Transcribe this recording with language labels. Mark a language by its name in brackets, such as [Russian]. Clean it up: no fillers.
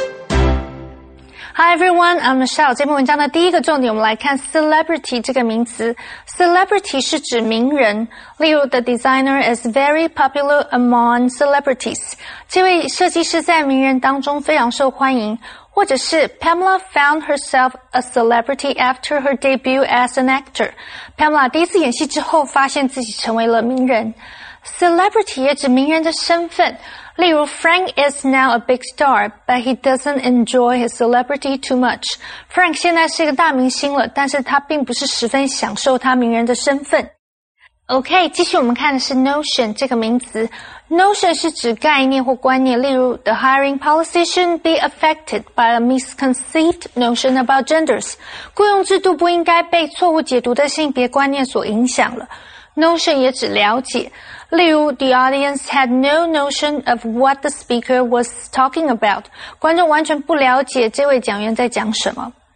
[English] Hi everyone, I'm Michelle. [Chinese] 节目文章的第一个重点，我们来看 celebrity 这个名词。 [English] Celebrity [Chinese] 是指名人，例如 [English] the designer is very popular among celebrities. [Chinese] 这位设计师在名人当中非常受欢迎。或者是 [English] Pamela found herself a celebrity after her debut as an actor. [Chinese] Pamela 第一次演戏之后发现自己成为了名人。Celebrity 也指名人的身份。例如 [English] Frank is now a big star, but he doesn't enjoy his celebrity too much. [Chinese] Frank 现在是一个大明星了，但是他并不是十分享受他名人的身份。 OK, 继续我们看的是 notion 这个名词。 [English] Notion [Chinese] 是指概念或观念，例如 [English] The hiring policy shouldn't be affected by a misconceived notion about genders. [Chinese] 雇佣制度不应该被错误解读的性别观念所影响了。 [English] Notion [Chinese] 也指了解，例如 [English] The audience had no notion of what the speaker was talking about. [Chinese] 观众完全不了解这位讲员在讲什么。